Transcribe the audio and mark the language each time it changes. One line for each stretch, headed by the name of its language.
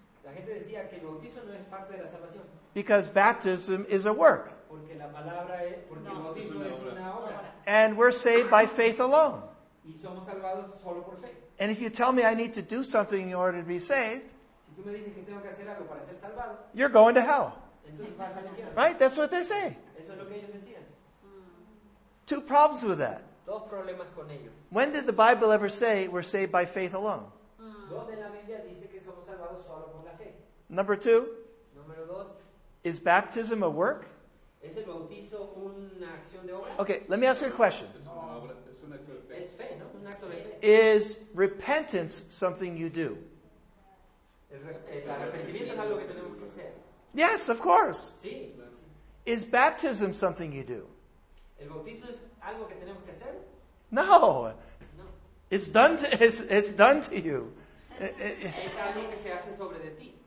Spanish: La gente decía que el bautismo no es parte de la salvación.
English: Because baptism is a work.
Spanish: Porque la palabra es, porque el bautismo es una obra.
English: And we're saved by faith alone.
Spanish: Y somos salvados solo por fe.
English: And if you tell me I need to do something in order to be saved,
Spanish: si tú me dices que tengo que hacer algo para ser salvado,
English: you're going to hell.
Spanish: Entonces vas al infierno.
English: Right? That's what they say.
Spanish: Eso es lo que ellos decían.
English: Two problems with that.
Spanish: Dos problemas con ello.
English: When did the Bible ever say we're saved by faith alone?
Spanish: ¿Dónde la Biblia dice que somos salvados solo por la fe?
English: Number two.
Spanish: Número dos.
English: Is baptism a work?
Spanish: ¿Es el bautizo una acción de obra?
English: Okay, let me ask you a question.
Spanish: Es fe, ¿no? Un acto de fe.
English: Is repentance something you do?
Spanish: El arrepentimiento es algo que tenemos que hacer.
English: Yes, of course.
Spanish: Sí.
English: Is baptism something you do?
Spanish: ¿El bautizo es algo que tenemos que hacer?
English: No.
Spanish: No.
English: It's done to you.
Spanish: Es algo que se hace sobre de ti.